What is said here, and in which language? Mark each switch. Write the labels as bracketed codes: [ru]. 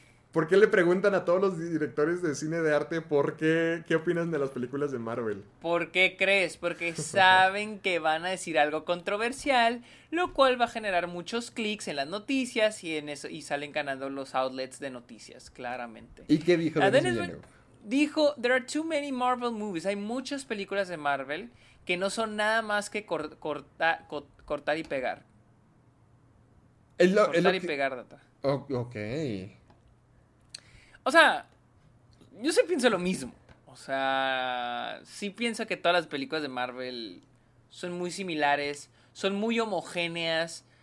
[es] ¿Por qué le preguntan a todos los directores de cine de arte por qué? ¿Qué opinan de las películas de Marvel? ¿Por qué crees? Porque saben que van a decir algo controversial, lo cual va a generar muchos clics en las noticias y en eso, y salen ganando los outlets de noticias, claramente. ¿Y qué dijo Denis Villeneuve? [en] Dijo, there are too many Marvel movies. [es] Hay muchas películas de Marvel que no son nada más que cortar y pegar. Pegar, data. Ok. O sea, yo sí pienso lo mismo. O sea, sí pienso que todas las películas de Marvel son muy similares, son muy homogéneas.